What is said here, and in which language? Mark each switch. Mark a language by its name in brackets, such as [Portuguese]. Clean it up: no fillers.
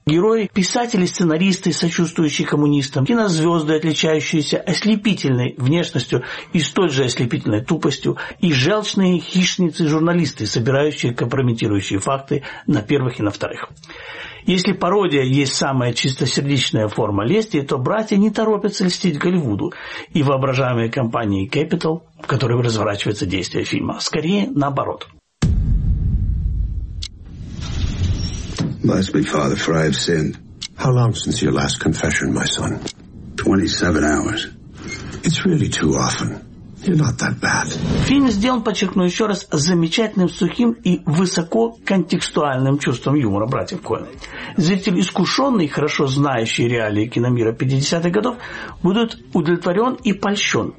[Russian] Герои, писатели, сценаристы, сочувствующие коммунистам, кинозвезды, отличающиеся ослепительной внешностью и столь же ослепительной тупостью, и желчные хищницы-журналисты, собирающие компрометирующие факты на первых и на вторых. Если пародия есть самая чистосердечная форма лести, то братья не торопятся льстить Голливуду и воображаемой компании Capital, в которой разворачивается действие фильма. Скорее, наоборот. [English] Bless me, Father, for I have sinned. How long since your last confession, my son? 27 hours. It's really too often. You're not that bad. [Russian] Фильм сделан, подчеркну еще раз, замечательным, сухим и высоко контекстуальным чувством юмора братьев Коэн. Зритель, искушенный, хорошо знающий реалии киномира 50-х годов, будет удовлетворен и польщен.